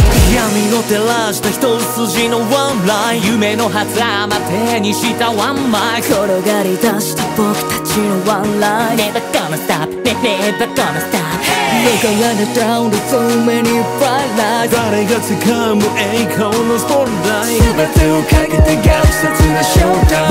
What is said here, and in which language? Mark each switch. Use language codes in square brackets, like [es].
[ja] 闇の照らした一筋のワンライン夢の狭間手にしたワンマイク転がり出した僕たちのワンライン [en] Never gonna stop Never gonna stop Look around the town There's so many bright lights [ja] 誰が掴む栄光のスポットライン全てをかけて逆説なショータ